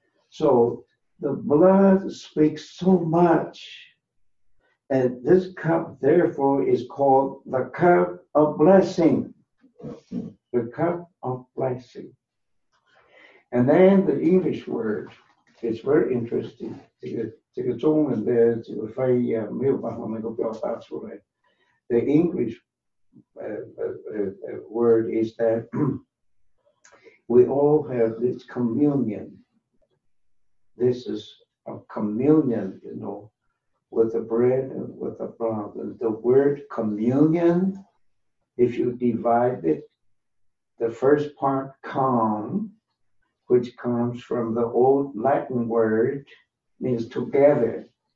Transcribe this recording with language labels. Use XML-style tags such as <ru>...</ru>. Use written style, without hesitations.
<en>So the blood speaks so much. And this cup, therefore, is called the cup of blessing. The cup of blessing. And then the English word is very interesting.</en> <zh>这个中文的这个翻译啊，没有办法能够表达出来。</zh> <en>The English word is that we all have this communion. This is a communion, you know, with the bread and with the blood. And the word communion, if you divide it, the first part, com, which comes from the old Latin word, means together.</en>